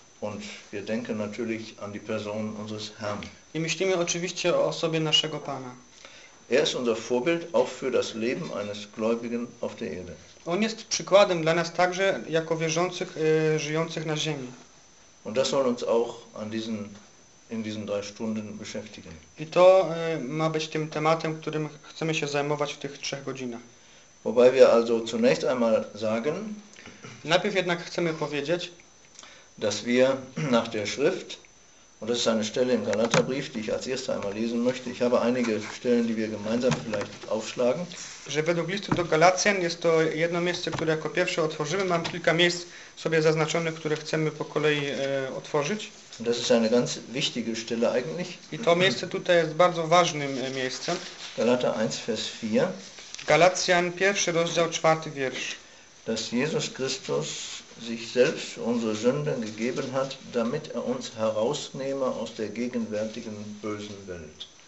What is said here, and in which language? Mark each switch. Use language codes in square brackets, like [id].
[de] Und wir denken natürlich an die Person unseres Herrn. [pl] I myślimy oczywiście o osobie naszego Pana. [de] Er ist unser Vorbild auch für das Leben eines Gläubigen auf der Erde. [pl] On jest przykładem dla nas także jako wierzących, żyjących na ziemi. [de] Und das soll uns auch an diesen in diesen drei Stunden beschäftigen. [pl] I to ma być tym tematem, którym chcemy się zajmować w tych trzech godzinach. [de] Wobei wir also zunächst einmal sagen, [pl] najpierw jednak chcemy powiedzieć, [de] dass wir nach der Schrift, und das ist eine Stelle im Galaterbrief, die ich als erste einmal lesen möchte, ich habe einige Stellen, die wir gemeinsam vielleicht aufschlagen, [pl] że według listu do Galacjan jest to jedno miejsce, które jako pierwsze otworzymy. Mam kilka miejsc sobie zaznaczonych, które chcemy po kolei otworzyć. [de] Das ist eine ganz wichtige Stelle eigentlich. [pl] I to miejsce tutaj jest bardzo ważnym miejscem. [de] Galater 1, Vers 4. [pl] Galacjan 1, rozdział 4, wiersz. [de] dass Jesus Christus sich selbst unsere Sünden gegeben hat, damit er uns herausnehme aus der gegenwärtigen bösen Welt.